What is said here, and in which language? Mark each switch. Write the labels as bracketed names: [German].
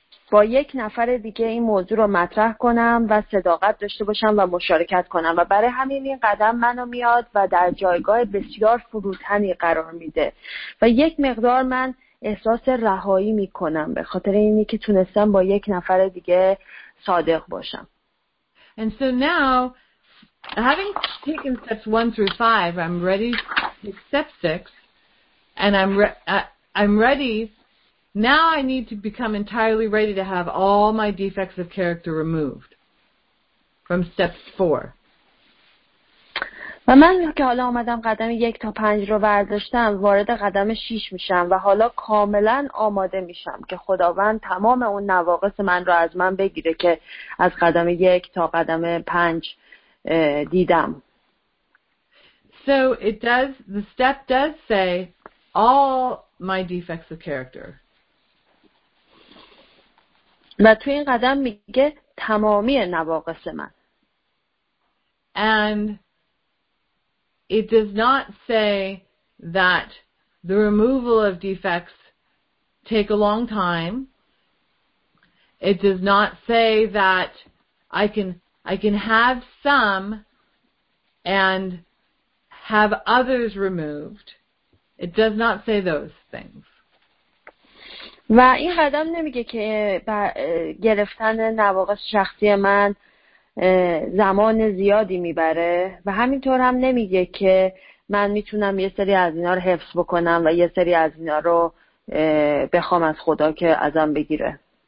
[Persian] با یک نفر دیگه این موضوع رو مطرح کنم و صداقت داشته باشم و مشارکت کنم و برای همین این قدم منو میاد و در جایگاه بسیار فروتنی قرار میده و یک مقدار من احساس رهایی میکنم به خاطر اینی که تونستم با یک نفر دیگه صادق باشم. [English] And so now, having taken steps 1 through 5, I'm ready to take step 6, and I'm ready. Now I need to become entirely ready to have all my defects of character removed from steps 4. [Persian] و من که حالا اومدم قدم 1 تا 5 رو برداشتم، وارد قدم 6 میشم و حالا کاملا آماده میشم که خداوند تمام اون نواقص من رو از من بگیره که از قدم 1 تا قدم 5 دیدم. [English] So it does, the step does say all my defects of character. [Persian] و تو این قدم میگه تمامی نواقص من. [English] And it does not say that the removal of defects take a long time. It does not say that I can have some and have others removed. It does not say those things. [Persian] و این قدم نمیگه که گرفتن نواقص شخصی من زمان زیادی میبره و همینطور هم نمیگه که من میتونم یه سری از اینا رو حفظ بکنم و یه سری از اینا رو بخوام از خدا که ازم بگیره.